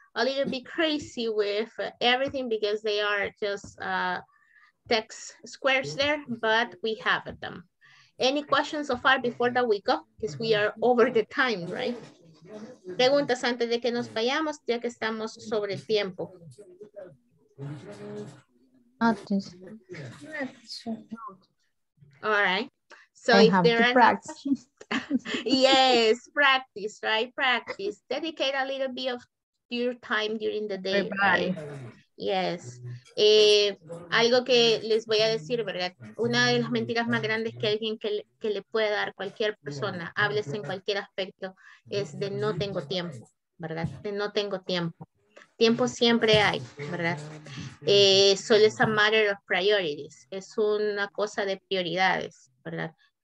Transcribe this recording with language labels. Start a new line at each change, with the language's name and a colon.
English: A little bit crazy with everything because they are just text squares there, but we have them. Any questions so far before that we go? Because we are over the time, right?
Spanish: Preguntas antes de que nos vayamos, ya que estamos sobre el tiempo.
English: All right. So I if there are practice. Yes, practice, right? Practice. Dedicate a little bit of your time during the day. Right? Yes.
Spanish: Algo que les voy a decir, ¿verdad? Una de las mentiras más grandes que alguien que le puede dar cualquier persona, hables en cualquier aspecto, es de no tengo tiempo, ¿verdad? De no tengo tiempo. Tiempo siempre hay, ¿verdad? Solo es
English: a matter of priorities.
Spanish: Es una cosa de prioridades, ¿verdad?